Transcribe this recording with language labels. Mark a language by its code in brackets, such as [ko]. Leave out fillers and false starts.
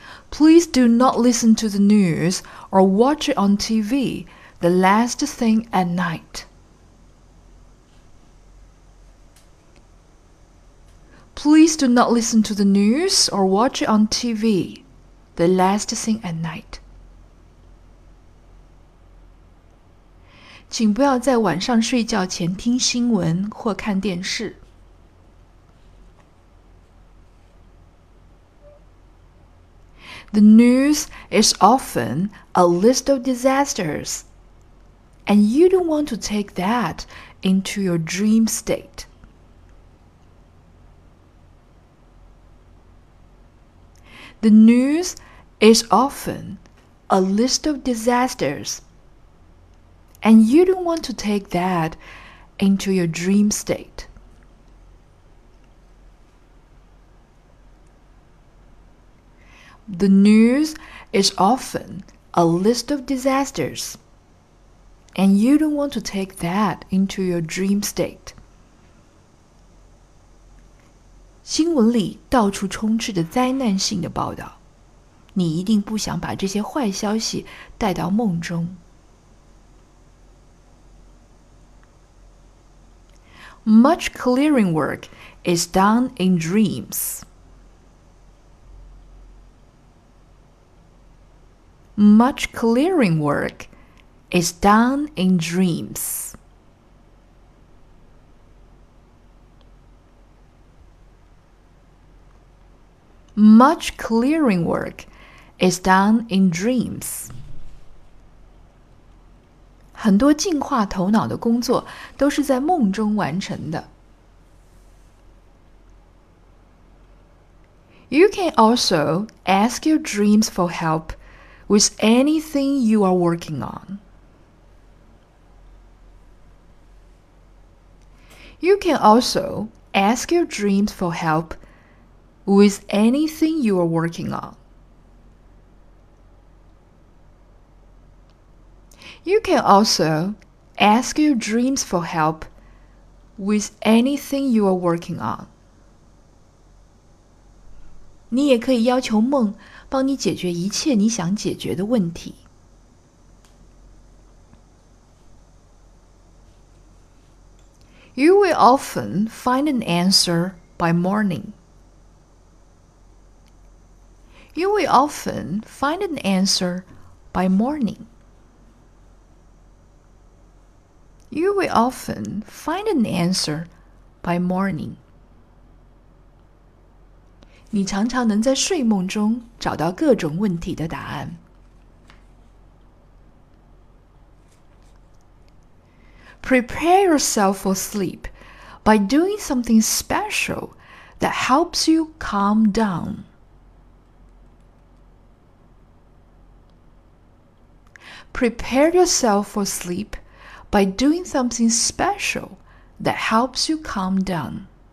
[en] Please do not listen to the news or watch it on TV the last thing at night. Please do not listen to the news or watch it on TV the last thing at night. [zh] 请不要在晚上睡觉前听新闻或看电视。 [en] The news is often a list of disasters, and you don't want to take that into your dream state. The news is often a list of disasters, and you don't want to take that into your dream state. The news is often a list of disasters, and you don't want to take that into your dream state. [zh] 新闻里到处充斥着灾难性的报道，你一定不想把这些坏消息带到梦中。 [en] Much clearing work is done in dreams. Much clearing work is done in dreams. Much clearing work is done in dreams. [zh] 很多净化头脑的工作都是在梦中完成的。 [en] You can also ask your dreams for help. With anything you are working on. You can also ask your dreams for help with anything you are working on. You can also ask your dreams for help with anything you are working on. [zh] 你也可以要求梦帮你解决一切你想解决的问题。 [en] You will often find an answer by morning. You will often find an answer by morning. You will often find an answer by morning. [zh] 你常常能在睡梦中找到各种问题的答案。 [en] Prepare yourself for sleep by doing something special that helps you calm down. Prepare yourself for sleep by doing something special that helps you calm down.